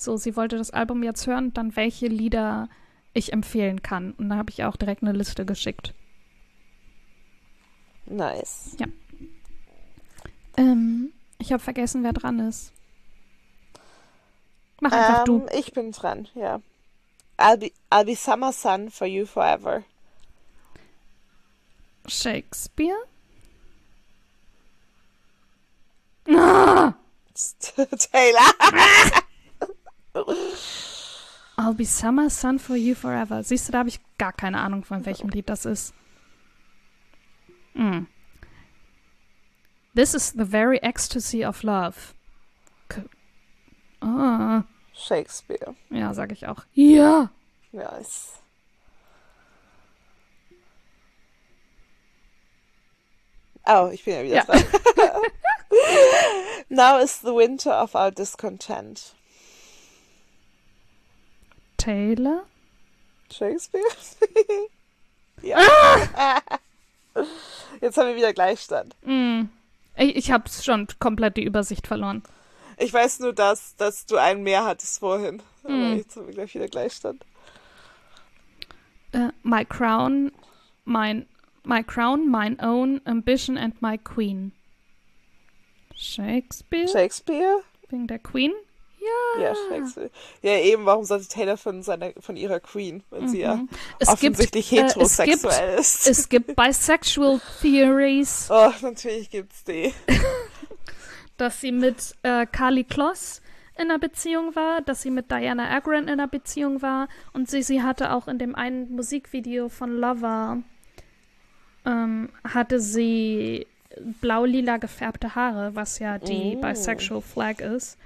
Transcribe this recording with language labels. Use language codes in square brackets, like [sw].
[de] So, sie wollte das Album jetzt hören, dann welche Lieder ich empfehlen kann. Und da habe ich auch direkt eine Liste geschickt. Nice. Ja. Ich habe vergessen, wer dran ist. Mach einfach du. Ich bin dran, ja. [en] I'll be summer sun for you forever. [de] Shakespeare? Ah! Taylor. [en] I'll be summer sun for you forever. [de] Siehst du, da habe ich gar keine Ahnung, von welchem Lied das ist. [en] This is the very ecstasy of love. [de] Ah. Shakespeare. Ja, sag ich auch. Ja! Ja, ist. Oh, ich bin ja wieder Ja. dran. [en] Now is the winter of our discontent. [de] Taylor? Shakespeare? Ja. Ah! Jetzt haben wir wieder Gleichstand. Ich habe schon komplett die Übersicht verloren. Ich weiß nur, dass du einen mehr hattest vorhin, aber jetzt haben wir gleich wieder Gleichstand. [en] My crown, my crown, mein own ambition and my queen. Shakespeare? [de] Shakespeare? Wegen der Queen? Ja! Ja, Schrecksel. Ja, eben, warum sollte Taylor von ihrer Queen, wenn sie ja Es gibt offensichtlich heterosexuell ist? [en] Bisexual Theories, [de] Oh, natürlich gibt's die. dass sie mit Karlie Kloss in einer Beziehung war, dass sie mit Diana Agron in einer Beziehung war und sie hatte auch in dem einen Musikvideo von Lover hatte sie blau-lila gefärbte Haare, was ja die Bisexual Flag ist.